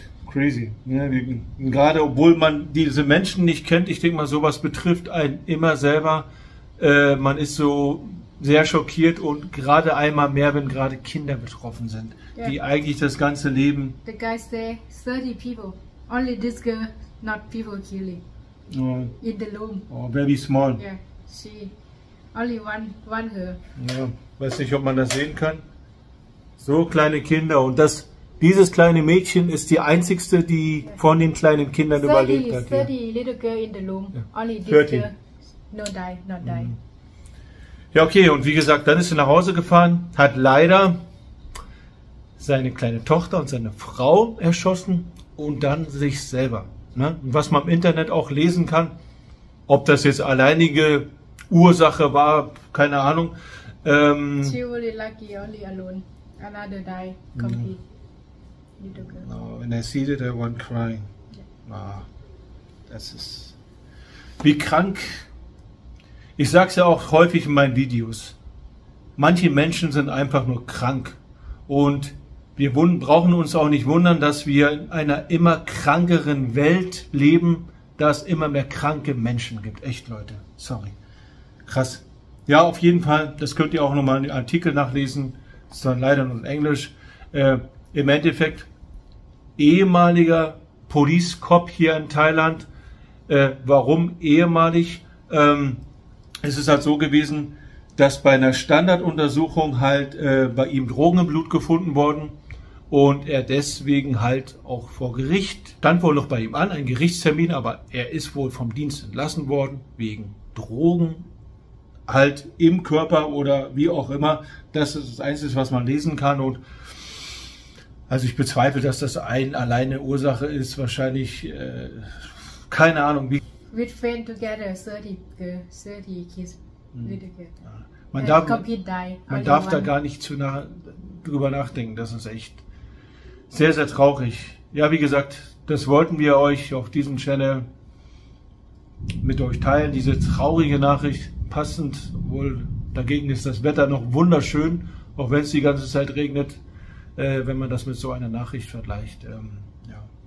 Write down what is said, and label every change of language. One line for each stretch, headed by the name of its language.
English: Crazy.
German: Ja, gerade obwohl man diese Menschen nicht kennt, ich denke mal, sowas betrifft einen immer selber. Man ist so sehr schockiert und gerade einmal mehr, wenn gerade Kinder betroffen sind, yeah, die eigentlich das ganze Leben.
English: The guys say 30 people. Only this girl, not people killing. Oh. In the room. Oh, very small. Yeah, she. Only one girl.
German: Ja, weiß nicht, ob man das sehen kann. So kleine Kinder und das. Dieses kleine Mädchen ist die einzigste, die von den kleinen Kindern
English: 30,
German: überlebt hat.
English: 30 little girl in the room. Ja. Only this 30. Girl, no die, not die.
German: Ja, okay. Und wie gesagt, dann ist er nach Hause gefahren, hat leider seine kleine Tochter und seine Frau erschossen und dann sich selber. Ne? Und was man im Internet auch lesen kann, ob das jetzt alleinige Ursache war, keine Ahnung.
English: She will be lucky only alone. Another die, complete. Ja. No, when I see that, I want crying.
German: Ah, das ist wie krank. Ich sag's ja auch häufig in meinen Videos. Manche Menschen sind einfach nur krank. Und wir brauchen uns auch nicht wundern, dass wir in einer immer krankeren Welt leben, dass immer mehr kranke Menschen gibt. Echt, Leute. Sorry. Krass. Ja, auf jeden Fall. Das könnt ihr auch nochmal in den Artikel nachlesen. Ist dann leider nur in Englisch. Im Endeffekt, ehemaliger Police Cop hier in Thailand. Warum ehemalig? Es ist halt so gewesen, dass bei einer Standarduntersuchung halt bei ihm Drogen im Blut gefunden worden und er deswegen halt auch vor Gericht, stand wohl noch bei ihm an, ein Gerichtstermin, aber er ist wohl vom Dienst entlassen worden wegen Drogen halt im Körper oder wie auch immer. Das ist das Einzige, was man lesen kann. Und Also ich bezweifle, dass das ein alleine Ursache ist. Wahrscheinlich keine Ahnung wie.
English: With friend together, 30 kids together.
German: Man darf, man darf da gar nicht zu nah drüber nachdenken. Das ist echt sehr, sehr traurig. Ja, wie gesagt, das wollten wir euch auf diesem Channel mit euch teilen. Diese traurige Nachricht, passend wohl. Dagegen ist das Wetter noch wunderschön, auch wenn es die ganze Zeit regnet, wenn man das mit so einer Nachricht vergleicht. Ja.